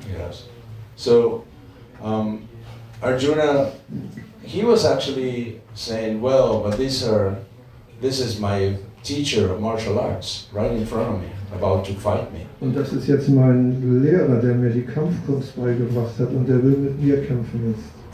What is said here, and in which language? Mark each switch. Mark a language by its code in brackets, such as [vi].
[en] Yes. So, Arjuna, he was actually saying, well, but this is my teacher of martial arts right in front of me, about to fight me. [de] Und das ist jetzt mein Lehrer, der mir die Kampfkunst beigebracht hat und der will mit mir kämpfen jetzt.